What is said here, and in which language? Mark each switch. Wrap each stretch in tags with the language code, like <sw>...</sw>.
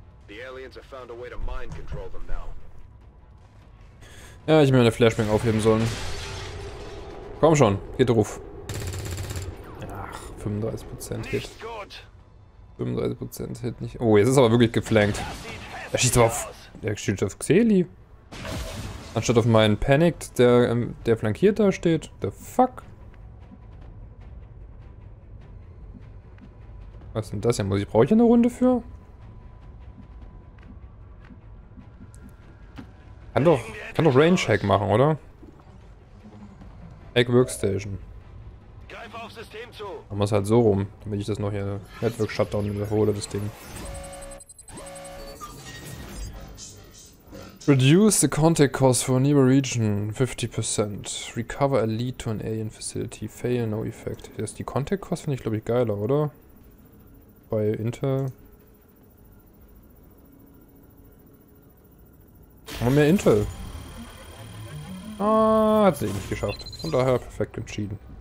<en>The aliens have found a way to mind control them now.</en> <de>Ja, ich hätte mir eine Flashbang aufheben sollen. Komm schon, geht ruf. Ach, 35% Hit. 35% Hit nicht. Oh, jetzt ist aber wirklich geflankt. Er schießt aber auf. Er schießt auf Xeli. Anstatt auf meinen Panicked, der flankiert da steht.</de> <en>The fuck?</en> <de>Was ist denn das hier? Brauche ich eine Runde für? Kann doch Range-Hack machen, oder?</de> <en>Hack Workstation.</en> <de>Greif auf System zu. Dann muss halt so rum, damit ich das noch hier Network-Shutdown wiederhole, das Ding.</de> <en>Reduce the contact cost for a nearby region 50%. Recover a lead to an alien facility. Fail no effect.</en> <de>Das ist die contact cost finde ich glaube ich geiler, oder? Bei Intel. Haben wir mehr Intel? Ah, hat sie nicht geschafft. Von daher perfekt entschieden.</de>